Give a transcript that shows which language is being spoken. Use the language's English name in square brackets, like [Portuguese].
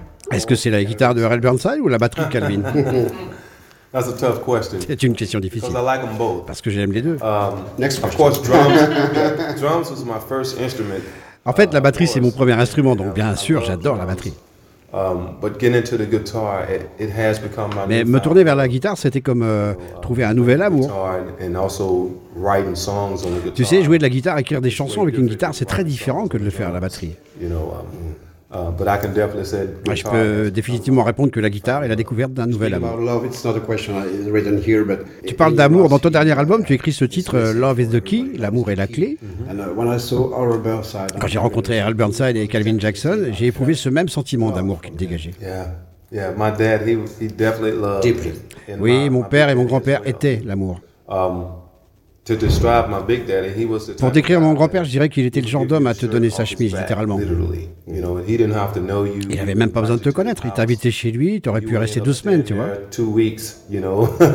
[French] Est-ce que c'est la guitare de Harold Burnside ou la batterie de Calvin? [English] That's a tough question. [French] C'est une question difficile. [English] Because I like them both. [French] Parce que j'aime les deux. [English] Next question. Of course, drums was my first instrument. [French] En fait, la batterie, c'est mon premier instrument, donc bien sûr, j'adore la batterie. [English] But getting into the guitar, it has become my. [French] Mais me tourner vers la guitare, c'était comme trouver un nouvel amour. [English] And also writing songs on the guitar. [French] Tu sais, jouer de la guitare, écrire des chansons avec une guitare, c'est très différent que de le faire à la batterie. [English] You know, but I can definitely say. [French] Moi, je peux définitivement répondre que la guitare est la découverte d'un nouvel amour. [English] Love, it's not a question written here, but. [French] Tu parles d'amour dans ton dernier album. Tu écris ce titre, Love is the key, l'amour est la clé. Quand j'ai rencontré Harold Burnside et Calvin Jackson, j'ai éprouvé ce même sentiment d'amour qu'il dégageait. [English] Yeah, my dad, he definitely loved. Deeply. [French] Oui, mon père et mon grand-père étaient l'amour. [English] To describe my big daddy, he was the type. [French] Pour décrire mon grand-père, je dirais qu'il était le genre d'homme à te donner sa chemise, littéralement. Il n'avait même pas besoin de te connaître. Il t'invitait chez lui, tu aurais pu rester 2 semaines, tu vois.